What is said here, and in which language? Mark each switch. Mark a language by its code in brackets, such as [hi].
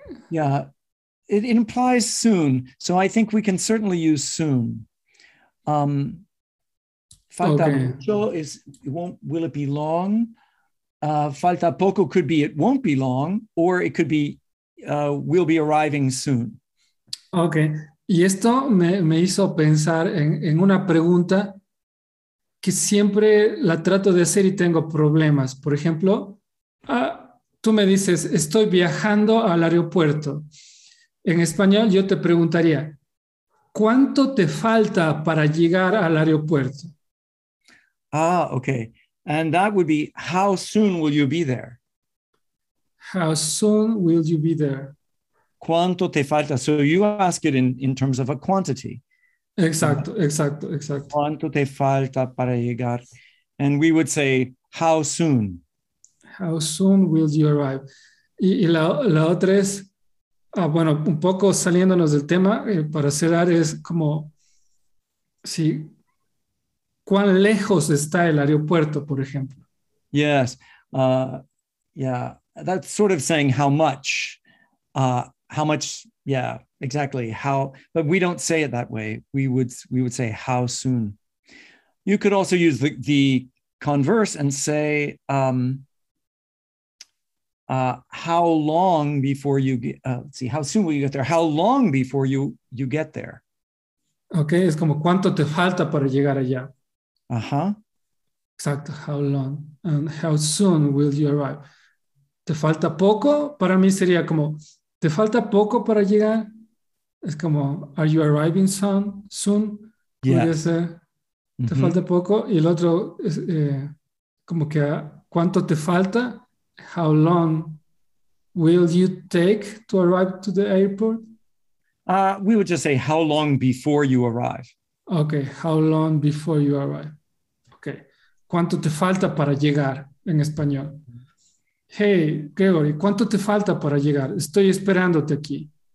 [en] Yeah, it implies soon. So I think we can certainly use soon. Falta mucho is, will it be long? Falta poco could be, it won't be long, or it could be, we'll be arriving soon. Okay. [es] Y esto me hizo pensar en una pregunta que siempre la trato de hacer y tengo problemas. Por ejemplo, tú me dices, estoy viajando al aeropuerto. En español yo te preguntaría, ¿cuánto te falta para llegar al aeropuerto? [en] Ah, okay. And that would be, how soon will you be there? How soon will you be there? [es] ¿Cuánto te falta? [en] So you ask it in terms of a quantity. [es] Exacto, exacto, exacto. ¿Cuánto te falta para llegar? [en] And we would say, how soon? How soon will you arrive? [es] Y la otra es, bueno, un poco saliéndonos del tema, para cerrar es como, sí, ¿cuán lejos está el aeropuerto, por ejemplo? [en] Yes, yeah, that's sort of saying how much. How much, yeah, exactly, how, but we don't say it that way. We would say how soon. You could also use the converse and say, how long before you get, how soon will you get there? How long before you get there? [es] Okay, es como cuánto te falta para llegar allá. Uh-huh. Exacto, [en] how long and how soon will you arrive? [es] Te falta poco, para mí sería como, ¿te falta poco para llegar? Es como, [en] are you arriving soon? Yes. [es] ¿Te falta poco? Y el otro es como que, ¿cuánto te falta? [en] How long will you take to arrive to the airport? We would just say, how long before you arrive? Okay, how long before you arrive? [es] Okay, ¿cuánto te falta para llegar en español? Hey, Gregory, ¿cuánto te falta para llegar? Estoy esperándote aquí.